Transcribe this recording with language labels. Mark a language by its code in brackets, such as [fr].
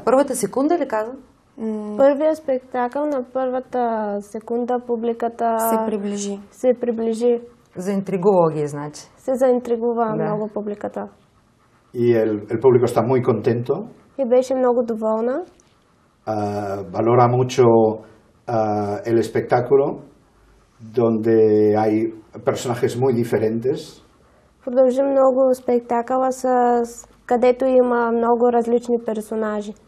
[bg] ¿Първата секунда ли каза? Първия спектакъл на първата секунда публиката се приближи. Заинтригува ги, значи. Се заинтригува много публиката. И [es] el público está muy contento. [bg] И беше много доволна. [es] Valora mucho el espectáculo, donde hay personajes muy diferentes. [bg] Продължи много спектакъла, където има много различни персонажи.